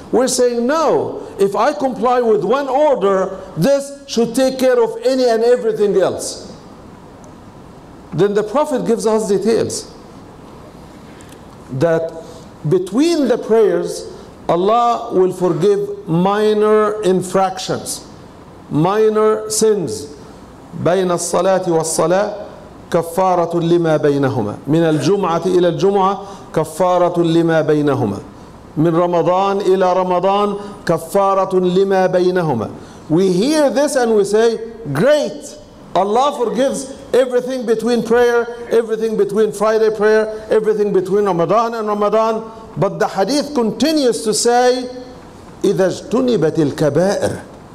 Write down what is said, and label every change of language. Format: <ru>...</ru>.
<en>We're saying, no, if I comply with one order, this should take care of any and everything else. Then the Prophet gives us details that between the prayers, Allah will forgive minor infractions, minor sins.</en> <ar>بين الصلاة والصلاة كفارة لما بينهما من الجمعة إلى الجمعة كفارة لما بينهما من رمضان إلى رمضان كفارة لما بينهما.</ar> <en>We hear this and we say, great, Allah forgives everything between prayer, everything between Friday prayer, everything between Ramadan and Ramadan. But the hadith continues to say,</en> <ar>إِذَا اجْتُنِبَتِ الْكَبَائِرِ.</ar>